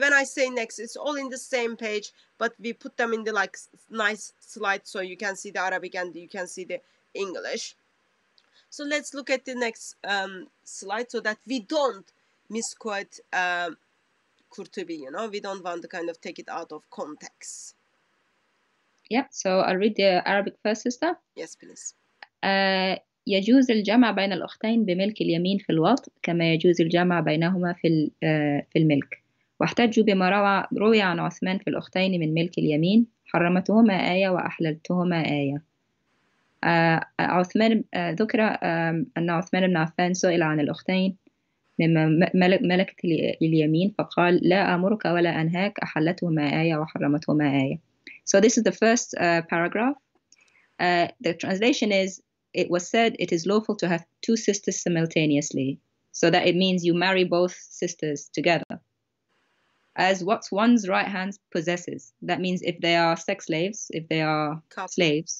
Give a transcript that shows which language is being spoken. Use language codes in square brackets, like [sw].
[en] When I say next, it's all in the same page, but we put them in the, like, nice slide so you can see the Arabic and you can see the English. So let's look at the next slide so that we don't misquote Kurtubi, you know. We don't want to kind of take it out of context. Yeah, so I'll read the Arabic first, sister. Yes, please. [ar] يجوز الجمع بين الأختين بملك اليمين في الوطء كما يجوز الجمع بينهما في الملك. واحتجوا بما روي عن عثمان في الأختين من ملك اليمين حرمتهما آية وأحللتهما آية. عثمان ذكر أن عثمان بن عفان سئل عن الأختين من ملكة اليمين فقال لا أمرك ولا أنهاك أحلتهما آية وحرمتهما آية. [en] So this is the first paragraph. The translation is, it was said it is lawful to have two sisters simultaneously. So that it means you marry both sisters together. As what one's right hand possesses. That means if they are sex slaves, if they are slaves,